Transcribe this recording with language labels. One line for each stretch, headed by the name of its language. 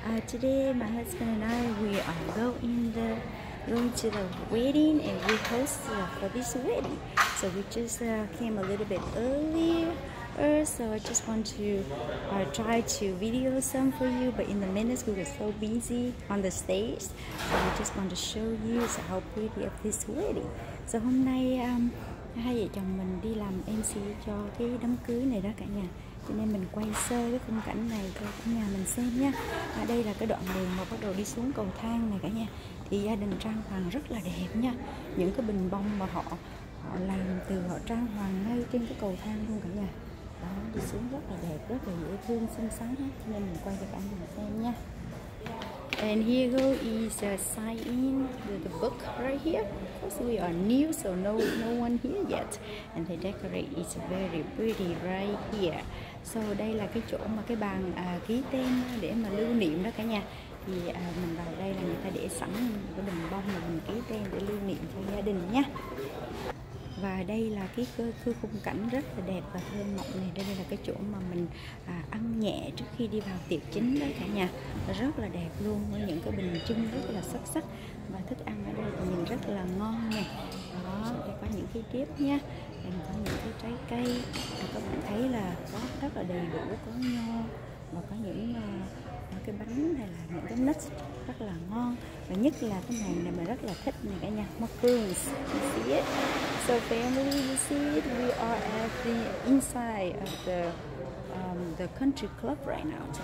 English: Today, my husband and I, we are going to the wedding, and we host for this wedding. So we just came a little bit earlier, so I just want to try to video some for you. But in the minutes, we were so busy on the stage, so we just want to show you how pretty of this wedding.
Vietnamese: So hôm nay hai vợ chồng mình đi làm MC cho cái đám cưới này đó cả nhà. Cho nên mình quay sơ cái khung cảnh này cho cả nhà mình xem nha. Ở đây là cái đoạn đường mà bắt đầu đi xuống cầu thang này cả nhà. Thì gia đình trang hoàng rất là đẹp nha. Những cái bình bông mà họ làm từ họ trang hoàng ngay trên cái cầu thang luôn cả nhà. Đó, đi xuống rất là đẹp, rất là dễ thương, xinh xắn á. Cho nên mình quay cho cả nhà xem nha.
English: And here go is a sign in with the book right here. Of course, we are new, so no one here yet. And they decorate is very pretty right here.
Vietnamese: So đây là cái chỗ mà cái bàn ký tên để mà lưu niệm đó cả nhà. Thì mình vào đây là người ta để sẵn cái bình bông mà mình ký tên để lưu niệm cho gia đình nha. Và đây là cái khu khung cảnh rất là đẹp và thơ mộng này. Đây là cái chỗ mà mình ăn nhẹ trước khi đi vào tiệc chính đó cả nhà. Rất là đẹp luôn, với những cái bình chưng rất là sắc sắc. Và thức ăn ở đây nhìn rất là ngon nè. Đó, đây có những cái tiếp nha. Đây có những cái trái cây. Và các bạn thấy là có rất là đầy đủ, có nho và có những cái bánh hay là những cái nuts rất là ngon. Và nhất là cái này này mà rất là thích nè cả nhà.
English: Mushrooms, you see it? So family, you see it? We are at the inside of the country club right now.